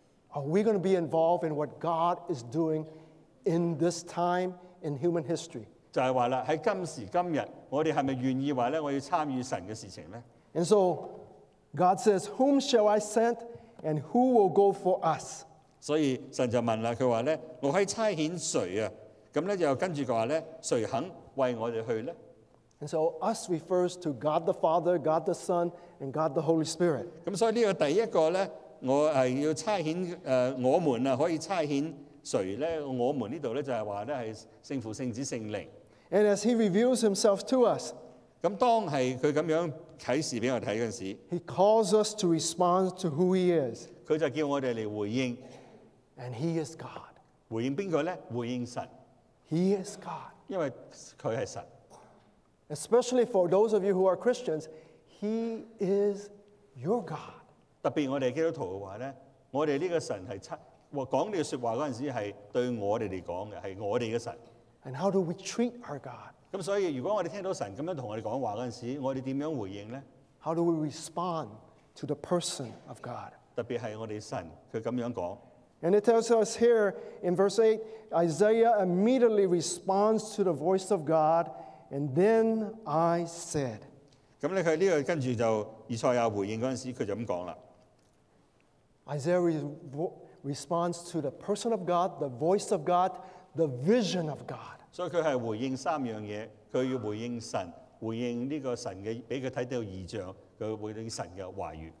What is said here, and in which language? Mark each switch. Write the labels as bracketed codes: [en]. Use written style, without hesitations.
[en] ？Are we going to be involved in what God is doing in this time in human history? [yue] 就係話啦，喺今時今日，我哋係咪願意話咧，我要參與神嘅事情咧 [en] ？And so, God says, "Whom shall I send, and who will go for us?" [yue] 所以神就問啦，佢話咧：我可以差遣誰啊？咁咧又跟住佢話咧：誰肯為我哋去咧 [en] ？And so us refers to God the Father, God the Son, and God the Holy Spirit. [yue] 咁所以呢個第一個咧，我係要差遣我們啊，可以差遣誰咧？我們呢度咧就係話咧係聖父、聖子、聖靈。 [en] And as He reveals Himself to us, [yue] 咁當係佢咁樣啟示俾我睇嗰陣時 [en] ，He calls us to respond to who He is. [yue] 佢就叫我哋嚟回應。 [en] And He is God. [yue] 回應邊個咧？回應神。 [en] He is God. [yue] 因為佢係神。 [en] Especially for those of you who are Christians, He is your God. [yue] 特別我哋基督徒嘅話咧，我哋呢個神係親，講呢個説話嗰陣時係對我哋嚟講嘅，係我哋嘅神。 [en] And how do we treat our God? [yue] 咁所以如果我哋聽到神咁樣同我哋講話嗰陣時，我哋點樣回應咧 [en] ？How do we respond to the person of God? [yue] 特別係我哋神，佢咁樣講。 [en] And it tells us here in verse 8, Isaiah immediately responds to the voice of God, and then I said. [yue] 咁咧，佢呢个跟住就以赛亚回应嗰阵时，佢就咁讲啦。 [en] Isaiah responds to the person of God, the voice of God, the vision of God. [yue] 所以佢系回应三样嘢，佢要回应神，回应呢个神嘅俾佢睇到异象，佢回应神嘅话语。